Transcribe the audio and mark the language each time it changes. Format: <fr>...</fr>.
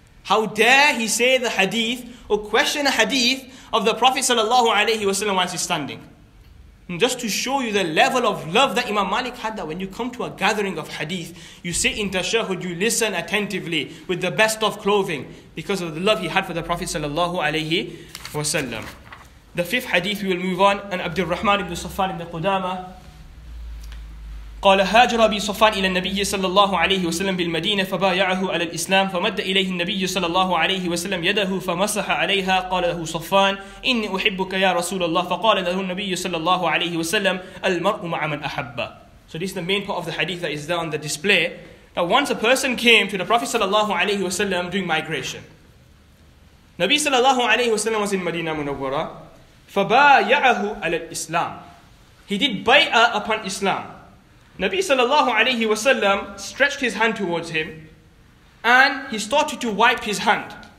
<en>How dare he say the hadith or question a hadith of the Prophet sallallahu alayhi wasallam whilst he's standing. And just to show you the level of love that Imam Malik had, that when you come to a gathering of hadith, you sit in tashahud, you listen attentively with the best of clothing because of the love he had for the Prophet sallallahu alayhi wasallam. The fifth hadith, we will move on.</en> <ar>And Abdul Rahman ibn Safwan ibn Qudama, قال هاجر أبي صفان إلى النبي صلى الله عليه وسلم بالمدينة فبايعه على الإسلام فمد إليه النبي صلى الله عليه وسلم يده فمسح عليها قال له صفان إني أحبك يا رسول الله فقال له النبي صلى الله عليه وسلم المرء مع من أحب.</ar> <en>So this is the main part of the hadith that is there on the display. Now once a person came to the Prophet صلى الله عليه وسلم doing migration.</en> <ar>نبي صلى الله عليه وسلم</ar> <en>was in Medina Munawwara.</en> <ar>فبايعه على الإسلام.</ar> <en>He did bay'ah upon Islam. Nabi sallallahu alayhi wasallam stretched his hand towards him and he started to wipe his hand.</en>